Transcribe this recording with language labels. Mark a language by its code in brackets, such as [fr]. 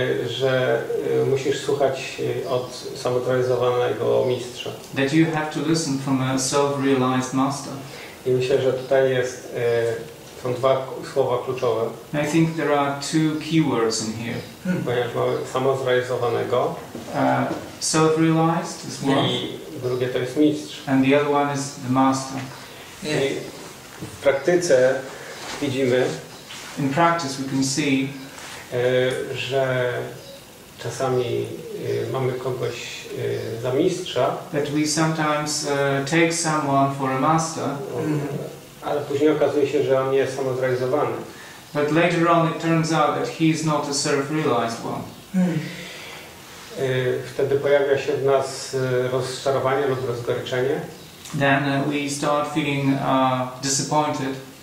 [pl] że musisz słuchać od samotrealizowanego mistrza. [en] That you have to listen from a self-realized master. [pl] I myślę, że tutaj jest są dwa słowa kluczowe. [en] I think there are two keywords in here. [pl] Ponieważ mamy samozrealizowanego. [en] Self-realized is one. [pl] I drugie to jest mistrz. [en] And the other one is the master. Yes. [pl] I w praktyce widzimy. [en] In practice we can see. [pl] Że czasami mamy kogoś za mistrza. [en] That we sometimes take someone for a master. [pl] Ale później okazuje się, że on nie jest samozrealizowany. [en] But later on it turns out that he is not a self-realized one. [pl] Wtedy pojawia się w nas rozczarowanie lub rozgoryczenie. [en] then we start feeling disappointed.